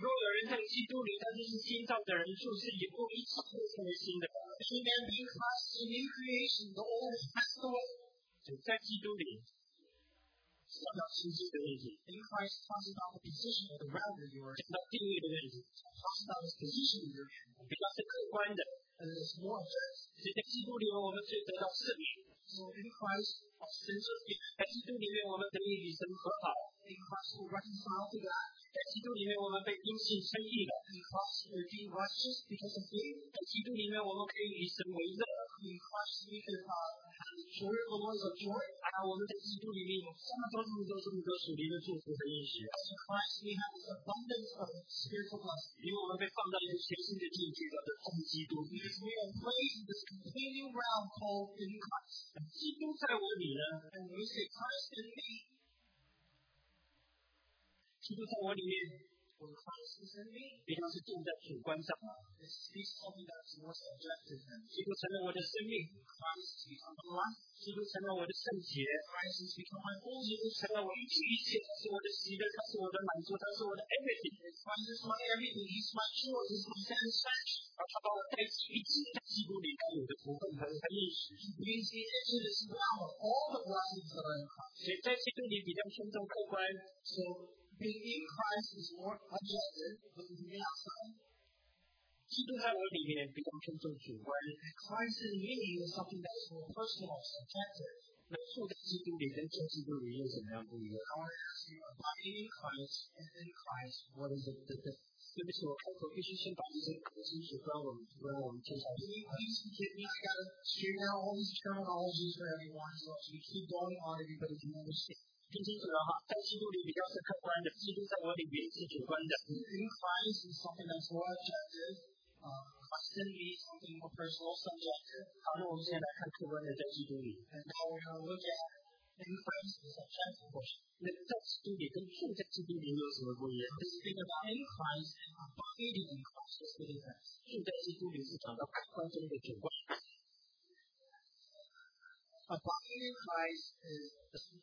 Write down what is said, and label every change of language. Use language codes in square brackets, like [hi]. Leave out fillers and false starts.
[zh] 如果有人在基督里，他就是新造的人，就是以后一切都成为新的。 [en] Any man being Christ is a new creation. The old has passed away. [zh] 就在基督里，讲到信息的问题。 [en] In Christ, talks about the position of the realm that you are. [zh] 讲到定位的问题。 [en] Talks about the position you are. [zh] 比较是客观的。 [en] And it's more objective. [zh] 在基督里，我们可以得到赦免。 [en] So in Christ. [zh] 在基督里面，我们可以与神和好。 [en] In Christ, we reconcile to God. [zh] 在基督里面，我们被因信称义了。 [en] In Christ, we are being righteous because of faith. [zh] 在基督里面，我们可以与神为乐。 [en] In Christ, we can have joy in the Lord's joy. [zh] 啊，我们在基督里面有这么多、这么多、这么多属灵的祝福和应许。 [en] In Christ, we have this abundance of spiritual blessings. [zh] 因为我们被放到一个全新的境界，叫做在基督。 [en] Because we are placed in this completely realm called in Christ. [zh] 基督在我里呢 [en] ？And we say Christ in me. [zh] 基督在我里面 [en] ，or Christ is in me. [zh] 比较是重在主观上。 [en] This is something that's more subjective. [zh] 基督成了我的生命 [en] ，Christ is my life. [zh] 基督成了我的圣洁 [en] ，Christ is become my holy. [zh] 基督成了我一切一切，他是我的喜乐，他是我的满足，他是我的 everything. [en] Christ is my everything. He's my joy. He's my satisfaction. [zh] 他把我带进一切在基督里该有的福分和应许。 [en] He brings me into this realm of all the blessings that are in Christ. [zh] 所以在基督里比较轻松客观。 [en] So being in Christ is more objective than being outside. [zh] 基督在我里面比较轻松主观。 [en] Christ in me is something that is more personal, subjective. [zh] 那住在基督里跟住基督里有什么样不一样 [en] ？I want to ask you about being in Christ and in Christ. What is it different? [zh] 对不起，我开口必须先把这些搞清楚，不然我们接下来。 [en] Can you please forgive me? I gotta straighten out all these terminologies for everyone, so you keep going on, everybody can understand. [zh] 听清楚了哈，在基督里比较是客观的，基督在我里面是主观的。 [en] In Christ is something that's more objective. Christ in me is something more personal, subjective. [zh] 好，那我们现在来看客观的在基督里。 [en] And now we're gonna look at in Christ is objective portion. [zh] 那在基督里跟住在基督里有什么不一样 [en] ？Speak about in Christ and abiding in Christ is the difference. [zh] 住在基督里是讲到客观中的主观。 [en] Abiding in Christ is the